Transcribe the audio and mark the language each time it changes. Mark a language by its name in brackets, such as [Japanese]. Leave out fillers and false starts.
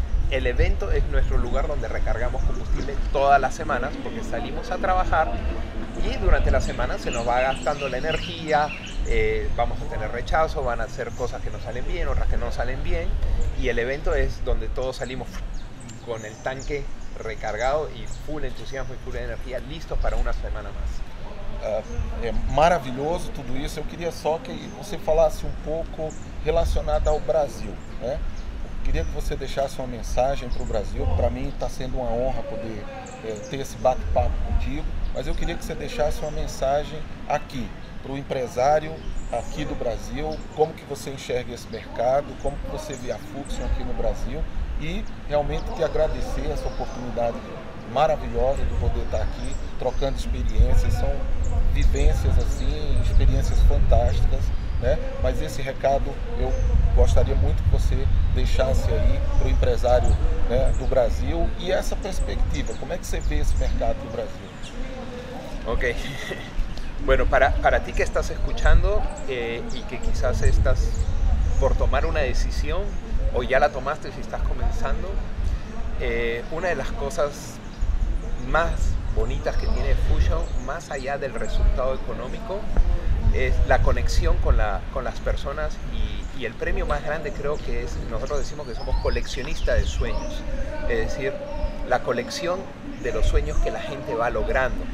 [Spanish] El evento es nuestro lugar donde recargamos combustible todas las semanas, porque salimos a trabajar y durante la semana se nos va gastando la energía, vamos a tener rechazo, van a ser cosas que nos salen bien, otras que no salen bien, y el evento es donde todos salimos con el tanque recargado y full entusiasmo y full energía, listos para una semana más. [Portuguese] É maravilhoso tudo isso. Eu queria só que você falasse um pouco relacionado ao Brasil, né? Queria que você deixasse uma mensagem para o Brasil. Para mim está sendo uma honra poder ter esse bate-papo contigo, mas eu queria que você deixasse uma mensagem aqui para o empresário aqui do Brasil, como que você enxerga esse mercado, como que você vê a Fluxion aqui no Brasil, e realmente te agradecer essa oportunidade maravilhosa de poder estar aqui trocando experiências. São vivências assim, experiências fantásticas, né? Mas esse recado eu gostaria muito que você deixasse aí para o empresário, né, do Brasil, e essa perspectiva, como é que você vê esse mercado do Brasil? Ok. [Spanish] Bueno, para ti que estás escuchando y que quizás estás por tomar una decisión o ya la tomaste y estás comenzando, una de las cosas más bonitas que tiene Fusion, más allá del resultado económico, es la conexión con las personas y el premio más grande, creo que es, nosotros decimos que somos coleccionistas de sueños, es decir, la colección de los sueños que la gente va logrando.